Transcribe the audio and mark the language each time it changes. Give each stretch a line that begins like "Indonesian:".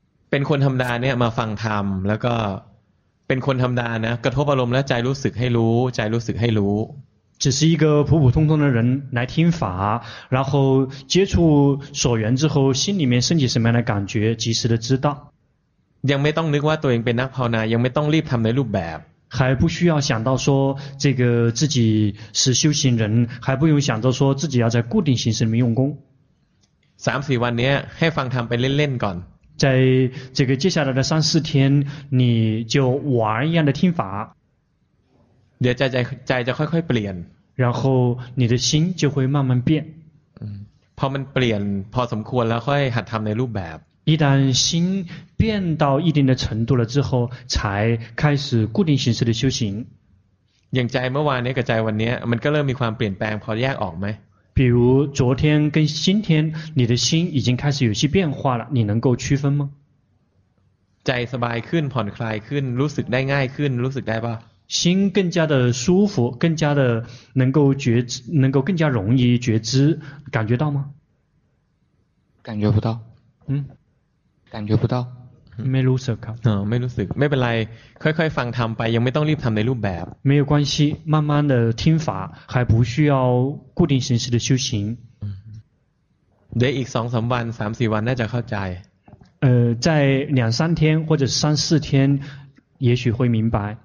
Thai: เป็นคนธรรมดาเนี่ยมาฟังธรรมแล้วก็เป็นคนธรรมดานะกระทบอารมณ์และใจรู้สึกให้รู้ใจรู้สึกให้รู้
Chinese: 只是一个普普通通的人来听法然后接触所缘之后心里面升起什么样的感觉及时的知道
Thai: ยังไม่ต้องนึกว่าตัวเองเป็นนักภาวนายังไม่ต้องรีบทำในรูปแบบ
Chinese: 还不需要想到说这个自己是修行人还不用想着说自己要在固定形式里面用功
Thai: 3-4 วันนี้ให้ฟังทำไปเล่นๆก่อน
Chinese: 在这个接下来的3-4天你就玩一样的听法
Thai: เดี๋ยวใจจะค่อยๆเปลี่ยน
Chinese: 然后你的心就会慢慢变
Thai: พอมันเปลี่ยนพอสมควรแล้วค่อยหัดทำในรูปแบบ
Chinese: 一旦心变到一定的程度了之后才开始固定形式的修行
Thai: อย่างใจเมื่อวานนี้กับใจวันนี้มันก็เริ่มมีความเปลี่ยนแปลงพอแยกออกไหม
Chinese: 比如昨天跟今天你的心已经开始有些变化了你能够区分吗
Thai: ใจสบายขึ้นผ่อนคลายขึ้นรู้สึกได้ง่ายขึ้นรู้สึกได้ป่ะ
Chinese: 心更加的舒服更加的能够觉知能够更加容易觉知感觉到吗感觉不到感觉不到
Thai: 没รู้สึกครับ 没รู้สึกไม่เป็นไรค่อยๆฟังทำไปยังไม่ต้องรีบทำในรูปแบบ
Chinese: 没有关系慢慢的听法还不需要固定形式的修行
Thai: เดี๋ยวอีก2-3 วัน3-4 วันน่าจะเข้าใจ
Chinese: 在两三天或者三四天也许会明白。